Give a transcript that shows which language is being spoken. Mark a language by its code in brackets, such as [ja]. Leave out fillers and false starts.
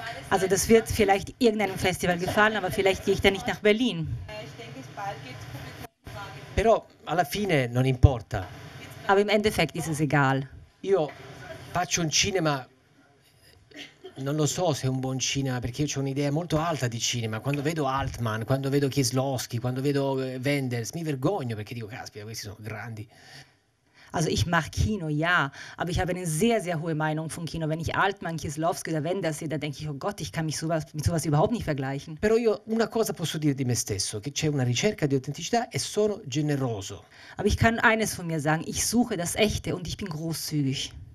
[de] Also das wird vielleicht irgendeinem Festival gefallen, aber vielleicht gehe ich da nicht nach Berlin. [it] Però alla fine non importa. [de] Aber im Endeffekt ist es egal. [it] Io faccio un cinema, non lo so se è un buon cinema, perché io ho un'idea molto alta di cinema. Quando vedo Altman, quando vedo Kieslowski, quando vedo Wenders, mi vergogno perché dico, caspita, questi sono grandi. [de] Also ich mache Kino, ja, aber ich habe eine sehr, sehr hohe Meinung von Kino. Wenn ich Altman, Kieslowski oder Wenders sehe, da denke ich, oh Gott, ich kann mich sowas, mit sowas überhaupt nicht vergleichen. [it] Però io una cosa posso dire di me stesso, che c'è una ricerca di autenticità e sono generoso. [de] Aber ich kann eines von mir sagen, ich suche das Echte und ich bin großzügig.